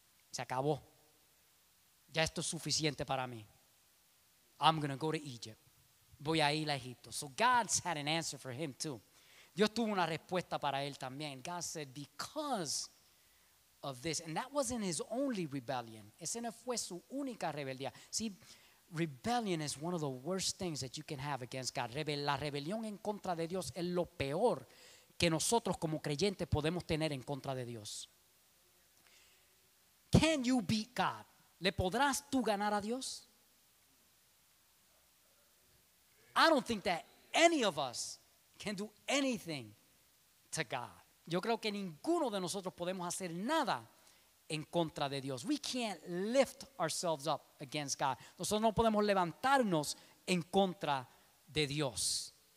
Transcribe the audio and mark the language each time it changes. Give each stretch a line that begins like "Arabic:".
Spanish: Se acabó. Ya esto es suficiente para mí.
English: I'm going to go to Egypt.
Spanish: Voy a ir a Egipto.
English: So God's had an answer for him too.
Spanish: Dios tuvo una respuesta para él también.
English: God said, because of this. And that wasn't his only rebellion.
Spanish: Ese no fue su única rebeldía.
English: See, Rebellion is one of the worst things that you can have against God.
Spanish: La rebelión en contra de Dios es lo peor que nosotros como creyentes podemos tener en contra de Dios.
English: Can you beat God?
Spanish: ¿Le podrás tú ganar a Dios?
English: I don't think that any of us can do anything to God.
Spanish: Yo creo que ninguno de nosotros podemos hacer nada en contra de Dios.
English: We can't lift ourselves up against God.
Spanish: Nosotros no podemos levantarnos en contra de Dios.